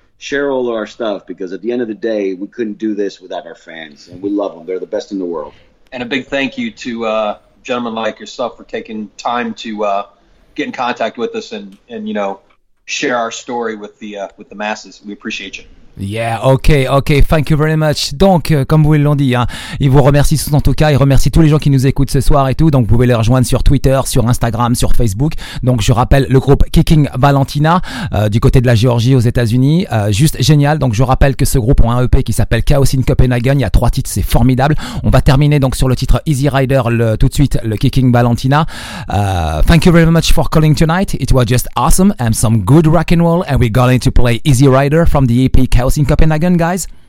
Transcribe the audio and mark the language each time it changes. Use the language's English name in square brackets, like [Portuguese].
[English] Share all of our stuff because at the end of the day, we couldn't do this without our fans. And we love them. They're the best in the world. And a big thank you to gentlemen like yourself for taking time to get in contact with us and share our story with the masses. We appreciate you. Yeah, ok, thank you very much. [French] Donc, comme vous l'ont dit, il vous remercie tous en tout cas, il remercie tous les gens qui nous écoutent ce soir et tout, donc vous pouvez les rejoindre sur Twitter, sur Instagram, sur Facebook. Donc je rappelle le groupe Kickin' Valentina du côté de la Géorgie aux États-Unis, juste génial. Donc je rappelle que ce groupe a un EP qui s'appelle Chaos in Copenhagen, il y a 3 titres, c'est formidable. On va terminer donc sur le titre Easy Rider, tout de suite le Kickin' Valentina. [English] Thank you very much for calling tonight, it was just awesome and some good rock and roll, and we're going to play Easy Rider from the EP Chaos in Copenhagen, guys?